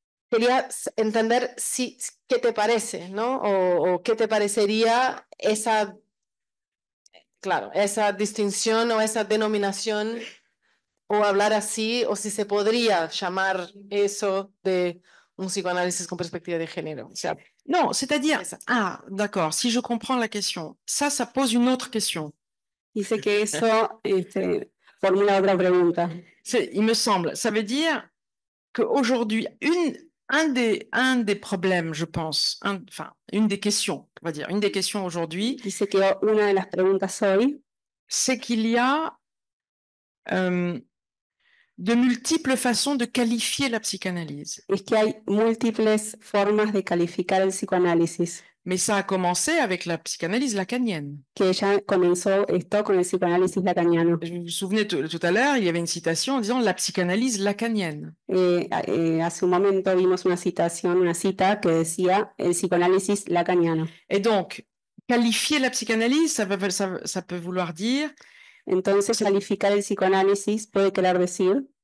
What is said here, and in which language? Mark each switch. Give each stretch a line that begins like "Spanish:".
Spanish: Quería entender si, qué te parece, ¿no? O qué te parecería esa... Claro, esa distinción o esa denominación o hablar así o si se podría llamar eso de un psicoanálisis con perspectiva de género. O sea,
French: no, c'est-à-dire, ah, d'accord, si je comprends la question, ça pose une autre question.
Spanish: Dice que eso formula otra pregunta.
French: C'est, il me semble, ça veut dire qu'aujourd'hui, un des problèmes, je pense, une des questions, on va dire, une des questions aujourd'hui, c'est qu'il y a de multiples façons de qualifier la psychanalyse.
Spanish: Es que hay múltiples formas de calificar el psicoanálisis.
French: Mais ça a commencé avec la psychanalyse lacanienne.
Spanish: Que ella comenzó esto con el psicoanálisis lacaniano.
French: Vous vous souvenez tout à l'heure, il y avait une citation en disant la psychanalyse lacanienne.
Spanish: Hace un momento vimos una citación, una cita que decía el psicoanálisis lacaniano.
French: Et donc, qualifier la psychanalyse, ça peut vouloir dire.
Spanish: Entonces, calificar el psicoanálisis puede querer decir.